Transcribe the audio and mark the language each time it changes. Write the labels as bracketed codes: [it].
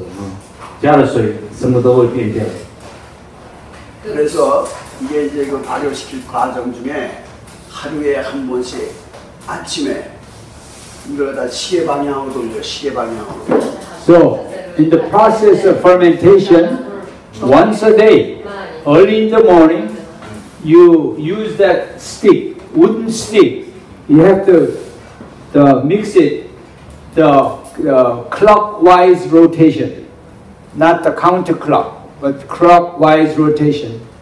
[zh] 那个大蒜一定要剥皮，那个生姜的话就是只要把土刷干净，都不能洗，不能过水，就直接把它捣成那个生姜的那个碎片，然后再加黑糖去发酵。反正，在自然农业里头，绝对不能碰水，这件事情是绝对要遵守的，加了水什么都会变掉。 [ko] 그래서 이게 이제 그 발효시킬 과정 중에 하루에 한 번씩 아침에 이러다 시계 방향으로 돌려 시계 방향으로. [en] So in the process of fermentation, once a day, early in the morning, you use that stick, wooden stick. You have to mix it the clockwise rotation, not the counter clock, but clockwise rotation.